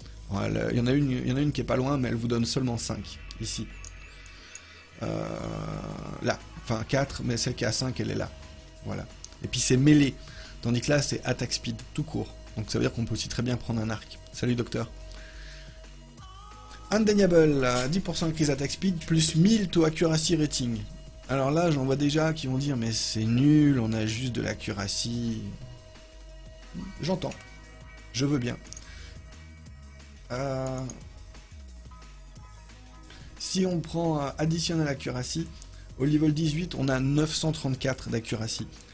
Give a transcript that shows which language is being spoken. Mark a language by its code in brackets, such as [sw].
[fr] Voilà, il y en a une qui est pas loin, mais elle vous donne seulement 5, ici. Là, enfin 4, mais celle qui a 5, elle est là. Voilà. Et puis c'est mêlée, tandis que là, c'est attack speed, tout court. Donc ça veut dire qu'on peut aussi très bien prendre un arc. Salut docteur. [en] Undeniable, 10% increase attack speed, plus 1000 to accuracy rating. [fr] Alors là, j'en vois déjà qui vont dire « Mais c'est nul, on a juste de l'accuracy. » J'entends. Je veux bien. Si on prend additionnel accuracy, au level 18, on a 934 d'accuracy.